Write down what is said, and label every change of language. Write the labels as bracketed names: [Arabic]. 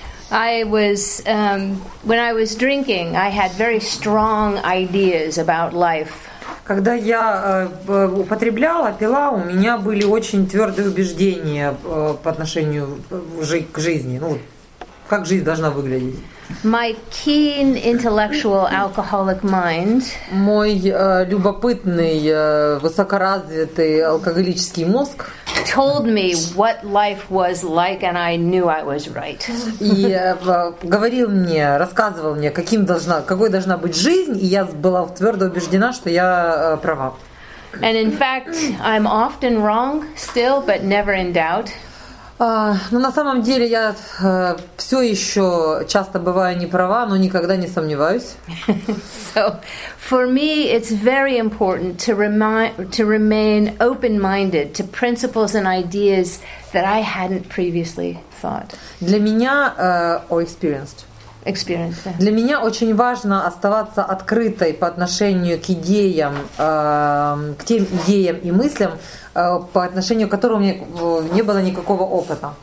[English] I was when I was drinking, I had very strong ideas about life. [Russian] Когда я употребляла, пила, у меня были очень твердые убеждения по отношению к жизни. Ну, как жизнь должна выглядеть? [English] My keen intellectual alcoholic mind. [Russian] Мой любопытный, высокоразвитый алкоголический мозг. [English] Told me what life was like, and I knew I was right. [Russian] И говорил мне, рассказывал мне, какой должна быть жизнь, и я была твердо убеждена, что я права. [English] And in fact, I'm often wrong still, but never in doubt. [Russian] Но на самом деле я все еще часто бываю неправа, но никогда не сомневаюсь. [English] So, for me, it's very important to remain open-minded to principles and ideas that I hadn't previously thought. [Russian] Для меня [English] experienced. Yeah. [Russian] Для меня очень важно оставаться открытой по отношению к идеям, к тем идеям и мыслям, по отношению к которым у меня не было никакого опыта.